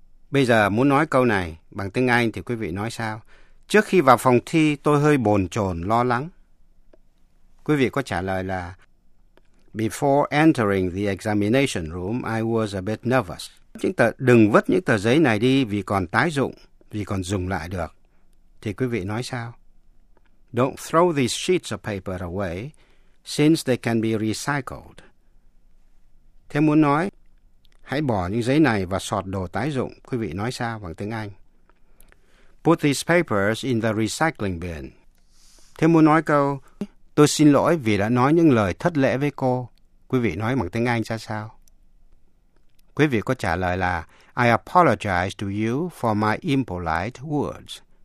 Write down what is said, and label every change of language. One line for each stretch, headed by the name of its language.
Vietnamese: Bây giờ muốn nói câu này bằng tiếng Anh thì quý vị nói sao? Trước khi vào phòng thi tôi hơi bồn chồn lo lắng. Quý vị có trả lời là
English: Before entering the examination room I was a bit nervous.
Vietnamese: Đừng vứt những tờ giấy này đi vì còn tái dụng, vì còn dùng lại được. Thì quý vị nói sao?
English: Don't throw these sheets of paper away since they can be recycled.
Vietnamese: Thế muốn nói, hãy bỏ những giấy này và sọt đồ tái dụng. Quý vị nói sao bằng tiếng Anh?
English: Put these papers in the recycling bin.
Vietnamese: Thế muốn nói câu, tôi xin lỗi vì đã nói những lời thất lễ với cô. Quý vị nói bằng tiếng Anh ra sao? Quý vị có trả lời là,
English: I apologize to you for my impolite words.